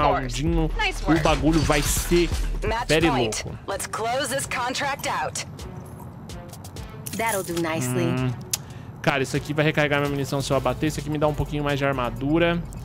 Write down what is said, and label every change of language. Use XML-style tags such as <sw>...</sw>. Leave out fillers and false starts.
<pt>Um roundinho,</pt> <en>nice work.</en> <pt>O bagulho vai ser</pt> <en>very</en> <pt>louco.</pt> <en>Let's close this contract out. That'll do nicely.</en> <pt>Cara, isso aqui vai recarregar minha munição se eu abater. Isso aqui me dá um pouquinho mais de armadura.</pt>